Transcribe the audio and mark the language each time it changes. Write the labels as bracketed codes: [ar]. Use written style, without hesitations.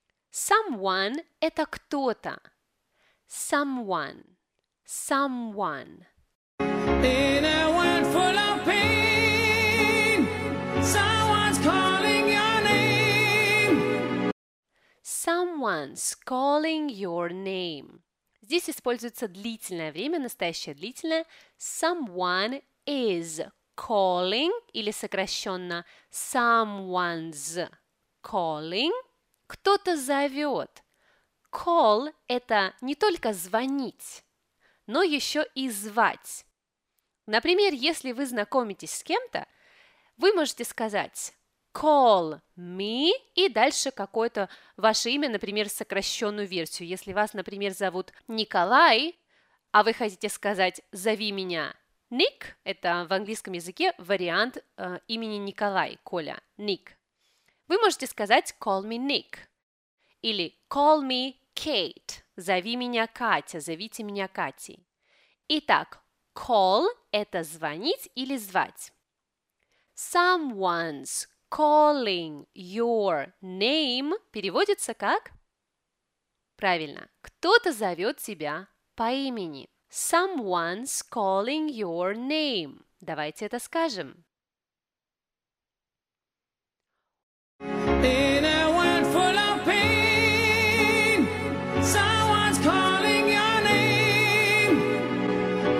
[ru] Someone – это кто-то. [en] Someone. Someone. In a world full of pain, someone's calling your name. Someone's calling your name. [ru] Здесь используется длительное время, настоящее длительное. [en] Someone is calling, [ru] или сокращенно [en] someone's calling. [ru] Кто-то зовет. Call – это не только звонить, но еще и звать. Например, если вы знакомитесь с кем-то, вы можете сказать call me и дальше какое-то ваше имя, например, сокращенную версию. Если вас, например, зовут Николай, а вы хотите сказать зови меня Ник, это в английском языке вариант имени Николай, Коля, Ник. Вы можете сказать [en] call me Nick [ru] или [en] call me Kate, [ru] зови меня Катя, зовите меня Катей. Итак, call – это звонить или звать. [en] Someone's calling your name [ru] переводится как? Правильно, кто-то зовет тебя по имени. [en] Someone's calling your name. [ru] Давайте это скажем. [en] In a world full of pain, someone's calling your name.